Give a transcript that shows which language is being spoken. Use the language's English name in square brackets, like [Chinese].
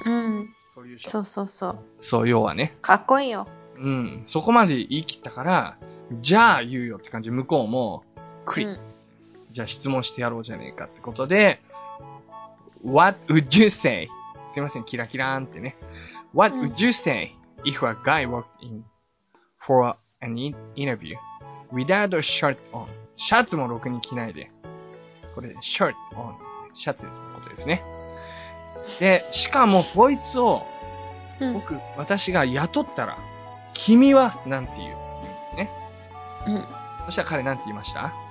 [Japanese] ソリューション。そうそうそう。そう、要はね。かっこいいよ。うん。そこまで言い切ったから、じゃあ言うよって感じ。向こうも、クリ、うん、じゃあ質問してやろうじゃねえかってことで、 [English] What would you say? [Japanese] すいません、キラキラーンってね。 [English] What would you say if a guy walked in for an interview without a shirt on? [Japanese] シャツもろくに着ないで。これ、shirt on。シャツですってことですね。で、しかも、こいつを、僕、うん、私が雇ったら、君は、なんて言う。ね。うん。そしたら彼、なんて言いました？